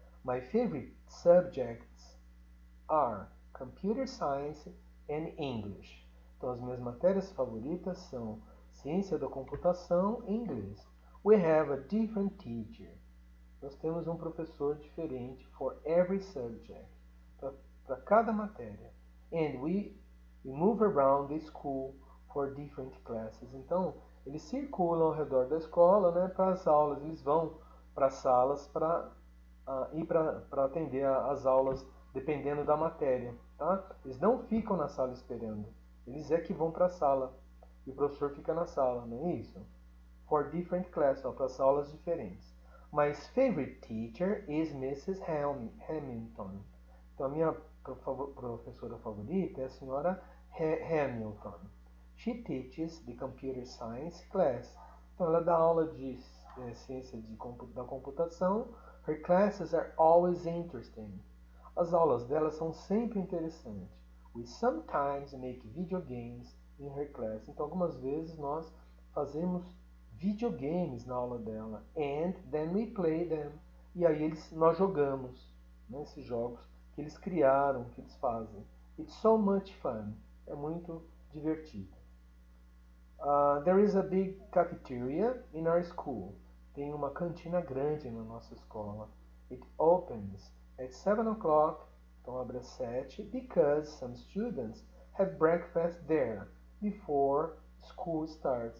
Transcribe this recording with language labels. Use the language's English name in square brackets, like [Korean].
[English] My favorite subjects are computer science and English. [Portuguese] Então, as minhas matérias favoritas são ciência da computação e inglês. [English] We have a different teacher. [Portuguese] Nós temos um professor diferente [English] for every subject. [Portuguese] Para cada matéria. [English] And we move around the school for different classes. [Portuguese] Então, eles circulam ao redor da escola, né, para as aulas. Eles vão para as salas para atender as aulas dependendo da matéria. Tá? Eles não ficam na sala esperando. Eles é que vão para a sala. E o professor fica na sala, não é isso? [English] For different classes, [Portuguese] para as aulas diferentes. [English] My favorite teacher is Mrs. Hamilton. [Portuguese] Então, a minha professora favorita é a senhora Hamilton. [English] She teaches the computer science class. [Portuguese] Então, ela dá aula de ciência da computação. [English] Her classes are always interesting. [Portuguese] As aulas dela são sempre interessantes. [English] We sometimes make video games in her class. [Portuguese] Então, algumas vezes nós fazemos videogames na aula dela. [English] And then we play them. [Portuguese] E aí nós jogamos, né, esses jogos que eles criaram, que eles fazem. [English] It's so much fun. [Portuguese] É muito divertido. [English] There is a big cafeteria in our school. [Portuguese] Tem uma cantina grande na nossa escola. [English] It opens at 7 o'clock. [Portuguese] Então abre às 7. [English] Because some students have breakfast there before school starts.